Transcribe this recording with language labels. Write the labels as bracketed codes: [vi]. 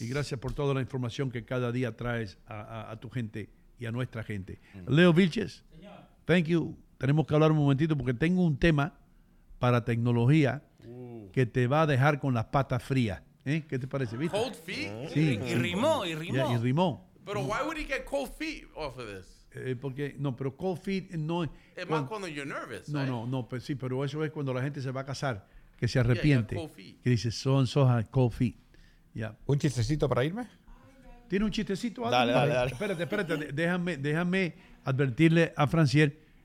[es] Y gracias por toda la información que cada día traes a tu gente y a nuestra gente. Leo Vilches. Señor. [en] Thank you. [es] Tenemos que hablar un momentito porque tengo un tema para tecnología que te va a dejar con las patas frías. ¿Eh? ¿Qué te parece? ¿Viste? [en] Cold feet. [es] Sí. Y rimó. [en] Yeah, [es] y rimó. Pero [en] why would he get cold feet off of this? [es] Porque no, pero [en] cold feet [es] no es. Es más cuando [en] you're nervous. [es] No, [en] right? [es] No, pero sí, pero eso es cuando la gente se va a casar, que se arrepiente, que dice son [en] cold feet. Yeah. [es] ¿Un chistecito para irme? Tiene un chistecito. Dale, dale, dale. Espérate. déjame advertirle a Franciel.